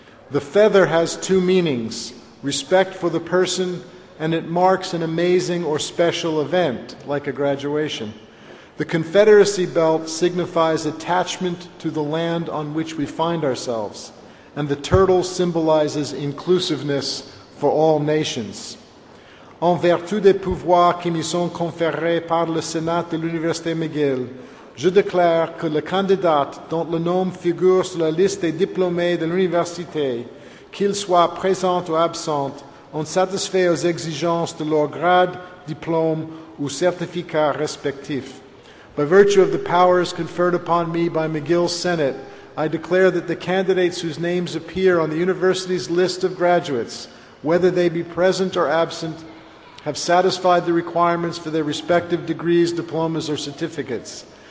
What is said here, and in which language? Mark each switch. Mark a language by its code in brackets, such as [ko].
[en] The feather has two meanings, respect for the person, and it marks an amazing or special event, like a graduation. The Confederacy belt signifies attachment to the land on which we find ourselves, and the turtle symbolizes inclusiveness for all nations. [fr] En vertu des pouvoirs qui me sont conférés par le Sénat de l'Université McGill, je déclare que le candidat dont le nom figure sur la liste des diplômés de l'Université, qu'il soit présent ou absent, ont satisfait aux exigences de leur grade, diplôme ou certificat respectif. [en] By virtue of the powers conferred upon me by McGill Senate, I declare that the candidates whose names appear on the university's list of graduates, whether they be present or absent, have satisfied the requirements for their respective degrees, diplomas, or certificates.